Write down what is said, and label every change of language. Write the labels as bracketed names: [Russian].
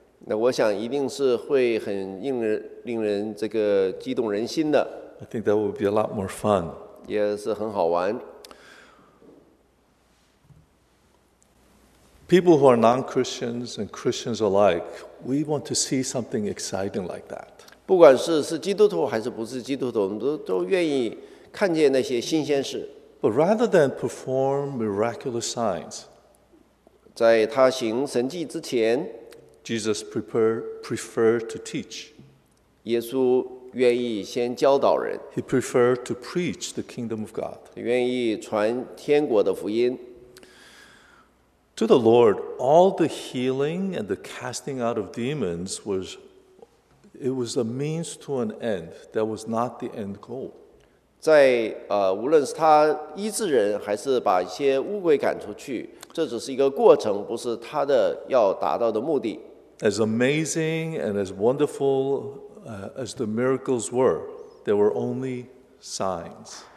[Chinese] 那我想一定是会很令人这个激动人心的。 [English] I think that would be a lot more fun. [Chinese] 也是很好玩。 [English] People who are non-Christians and Christians alike, we want to see something exciting like that. [Chinese] 不管是基督徒还是不是基督徒，我们都愿意看见那些新鲜事。 [English] But rather than perform miraculous signs, [Chinese] 在他行神迹之前， [English] Jesus preferred to teach. [Chinese] 耶稣愿意先教导人。 [English] He preferred to preach the kingdom of God. [Chinese] 愿意传天国的福音。 [English] To the Lord, all the healing and the casting out of demons was a means to an end. That was not the end goal. [Chinese] 在无论是他医治人，还是把一些乌鬼赶出去，这只是一个过程，不是他的要达到的目的。 [English] As amazing and as wonderful as the miracles were, they were only signs.